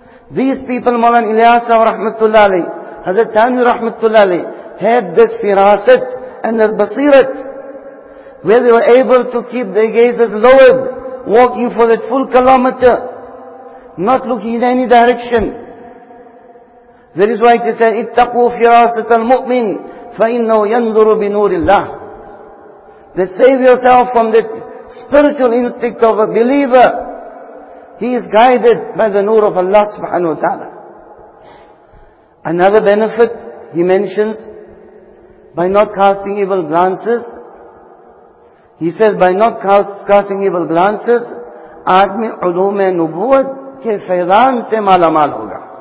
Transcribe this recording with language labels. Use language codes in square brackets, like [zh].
[en] These people, Mawlan Ilyas rahmatullahi, Hazrat Tanwi rahmatullahi, had this firasat and this basirat, where they were able to keep their gazes lowered, walking for that full kilometer, not looking in any direction. That is why it is said, [ar] اِتَّقُوا فِرَاسَةَ الْمُؤْمِنِ فَإِنَّهُ يَنْظُرُ بِنُورِ اللَّهِ. [en] They save yourself from that spiritual instinct of a believer. He is guided by the nur of Allah subhanahu wa ta'ala. Another benefit he mentions, by not casting evil glances, he says, by not casting evil glances, [ur] aadmi ulum e nubuwat ke faydan se malamal hoga.